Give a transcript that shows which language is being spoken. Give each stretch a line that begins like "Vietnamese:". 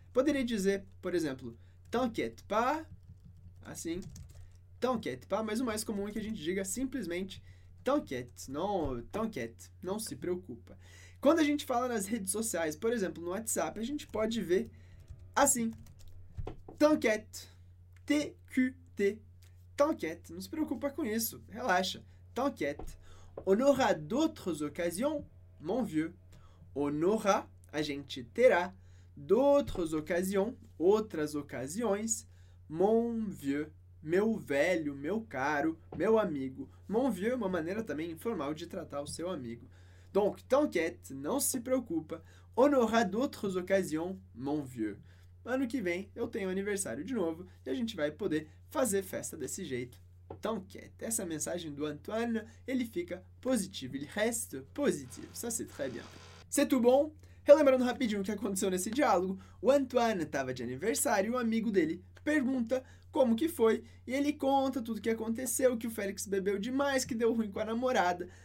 Portuguese: Poderia dizer, por exemplo,
French: t'inquiète pas,
Portuguese: assim, t'inquiète pas, mas o mais comum é que a gente diga simplesmente t'inquiète, não se preocupa. Quando a gente fala nas redes sociais, por exemplo, no WhatsApp, a gente pode ver assim, t'inquiète, T-Q-T.
French: T'inquiète, ne se préoccupe pas
Portuguese: con isso.
French: Relâche, t'inquiète. On aura d'autres occasions, mon vieux. On aura,
Portuguese: a gente terá,
French: d'autres occasions,
Portuguese: outras ocasiões,
French: mon vieux.
Portuguese: Meu velho, meu caro, meu amigo. Mon vieux é uma maneira também informal de tratar o seu amigo.
French: Donc, t'inquiète,
Portuguese: não se preocupa.
French: On aura d'autres occasions, mon vieux.
Portuguese: Ano que vem eu tenho aniversário de novo e a gente vai poder fazer festa desse jeito.
French: T'inquiète.
Portuguese: Essa mensagem do Antoine, ele fica positivo.
French: Il reste positif. Ça, c'est très bien. C'est tout bon?
Portuguese: Relembrando rapidinho o que aconteceu nesse diálogo, o Antoine estava de aniversário e o amigo dele pergunta como que foi e ele conta tudo o que aconteceu, que o Félix bebeu demais, que deu ruim com a namorada.